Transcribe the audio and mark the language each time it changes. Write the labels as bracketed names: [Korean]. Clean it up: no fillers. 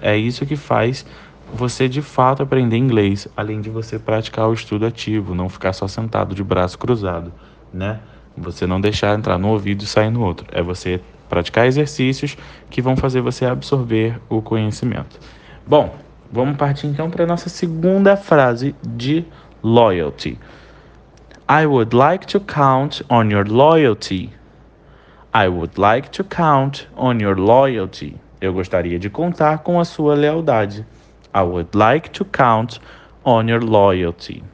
[Portuguese] É isso que faz você de fato aprender inglês, além de você praticar o estudo ativo, não ficar só sentado de braço cruzado, né? Você não deixar entrar no ouvido e sair no outro. É você praticar exercícios que vão fazer você absorver o conhecimento. Bom, vamos partir então para a nossa segunda frase de loyalty. [English] I would like to count on your loyalty. I would like to count on your loyalty. [Portuguese] Eu gostaria de contar com a sua lealdade. [English] I would like to count on your loyalty.